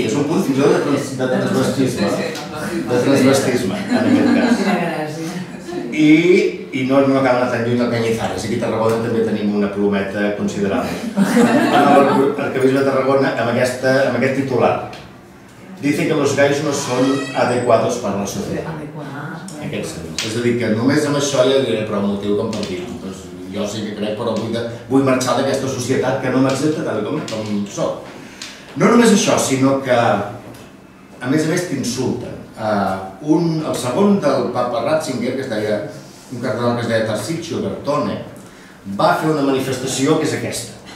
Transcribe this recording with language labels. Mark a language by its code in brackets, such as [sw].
[ca] És un punt fins i tot de transvestisme. De transvestisme, en aquest cas. I no cal anar tan lluny al Cañizares. Aquí a Tarragona també tenim una plometa considerable. En l'arquebisbe de Tarragona, amb aquest titular. [es] Dice que los gais no son adecuados para la sociedad. [ca] És a dir, que només amb això ja diré prou motiu com per dir, doncs jo sí que crec, però vull marxar d'aquesta societat que no m'accepta tal com sóc. No només això, sinó que a més t'insulten. El segon del papa Ratzinger, que es deia, un cardenal que es deia Tarsicio Bertone, va fer una manifestació que és aquesta.